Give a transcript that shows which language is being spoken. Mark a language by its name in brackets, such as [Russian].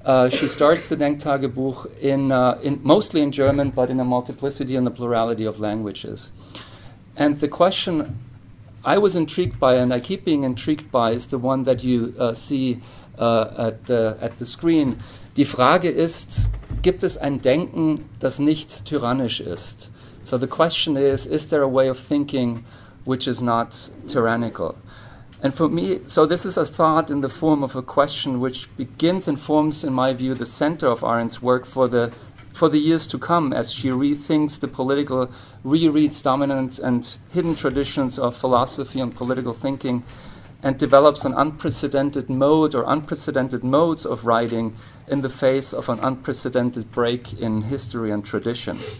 [English] She starts the Denktagebuch in mostly in German, but in a multiplicity and a plurality of languages. And the question I was intrigued by and I keep being intrigued by is the one that you see at the screen. [German] Die Frage ist, gibt es ein Denken, das nicht tyrannisch ist? [English] So the question is there a way of thinking which is not tyrannical? And for me, so this is a thought in the form of a question which begins and forms, in my view, the center of Arendt's work for the years to come, as she rethinks the political, rereads dominant and hidden traditions of philosophy and political thinking, and develops an unprecedented mode or unprecedented modes of writing in the face of an unprecedented break in history and tradition.